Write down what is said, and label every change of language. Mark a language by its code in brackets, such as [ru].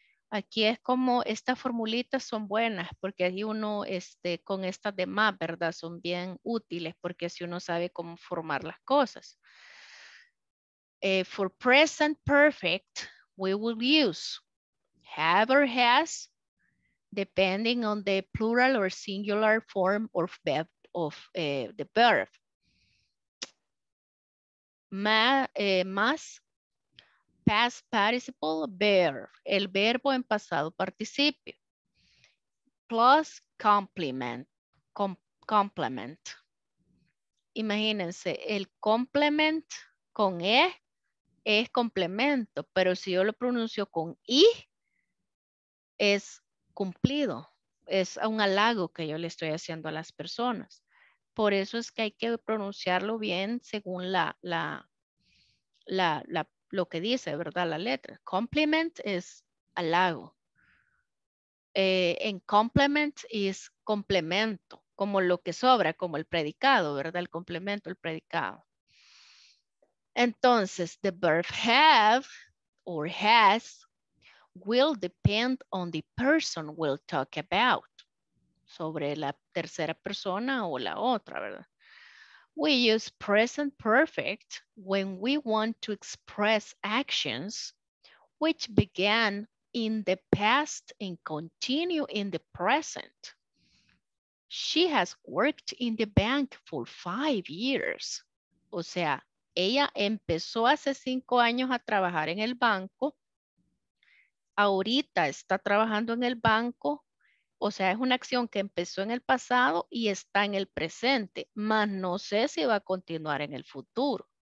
[es] Aquí es como estas formulitas son buenas porque ahí uno con estas demás, ¿verdad? Son bien útiles porque así uno sabe cómo formar las cosas. [en] For present perfect, we will use have or has, depending on the plural or singular form of the verb. [es] Más [en] past participle verb, [es] el verbo en pasado participio. [en] Plus complement. [es] Imagínense, el complement con E es complemento, pero si yo lo pronuncio con I, es cumplido. Es un halago que yo le estoy haciendo a las personas. Por eso es que hay que pronunciarlo bien según lo que dice, ¿verdad? La letra. Compliment es halago. En complement es complemento, como lo que sobra, como el predicado, ¿verdad? El complemento, el predicado. [en] Entonces, the verb have or has will depend on the person we'll talk about. [es] Sobre la tercera persona o la otra, ¿verdad? [en] We use present perfect when we want to express actions which began in the past and continue in the present. She has worked in the bank for 5 years. [es] O sea, ella empezó hace 5 años a trabajar en el banco. Ahorita está trabajando en el banco. O sea, es una acción que empezó en el pasado y está en el presente, mas no sé si va a continuar en el futuro.